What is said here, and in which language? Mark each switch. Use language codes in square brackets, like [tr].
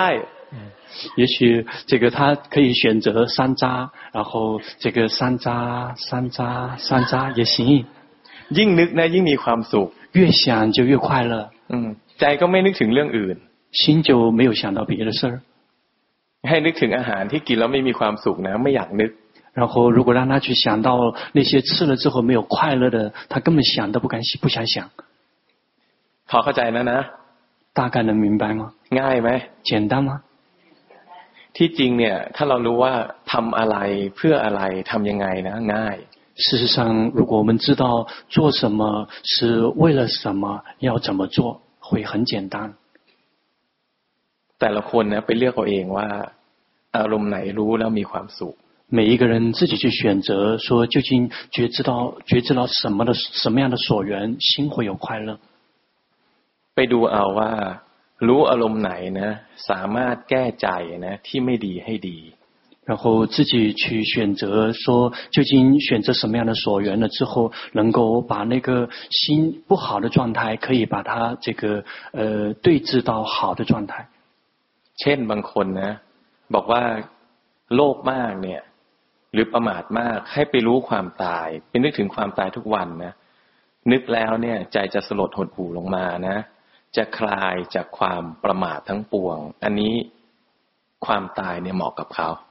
[zh] 也许这个他可以选择山楂然后这个山楂也行 [th] ยิ่งนึกนะยิ่งมีความสุข [zh] 越想就越快乐 [th] ใจก็ไม่นึกถึงเรื่องอื่น [zh] 心就没有想到别的事儿 [th] ให้นึกถึงอาหารที่กินแล้วไม่มีความสุขนะไม่อยากนึก [zh] 然后如果让他去想到那些吃了之后没有快乐的他根本想都不敢不想想 [th] พอเข้าใจนะ [zh] 大概能明白吗 [th] ง่ายไหม [zh] 简单吗 [th] ที่จริงเนี่ยถ้าเรารู้ว่าทำอะไรเพื่ออะไรทำยังไงนะง่าย [zh] 事实上如果我们知道做什么是为了什么要怎么做会很简单 [th] แต่ละคนนะไปเลือกเอาเองว่าอารมณ์ไหนรู้แล้วมีความสุข [zh] 每一个人自己去选择说究竟觉知到什么的什么样的所缘心会有快乐 [th] ไปดูเอาว่ารู้อารมณ์ไหนนะสามารถแก้ใจนะที่ไม่ดีให้ดี [zh] 然后自己去选择说究竟选择什么样的所缘了之后能够把那个心不好的状态可以把它这个对治到好的状态 [th] เช่นบางคนนะบอกว่าโลภมากเนี่ยหรือประมาทมากให้ไปรู้ความตายไปนึกถึงความตายทุกวันนะนึกแล้วเนี่ยใจจะสลดหดหู่ลงมานะจะคลายจากความประมาททั้งปวงอันนี้ความตายเนี่ยเหมาะกับเขา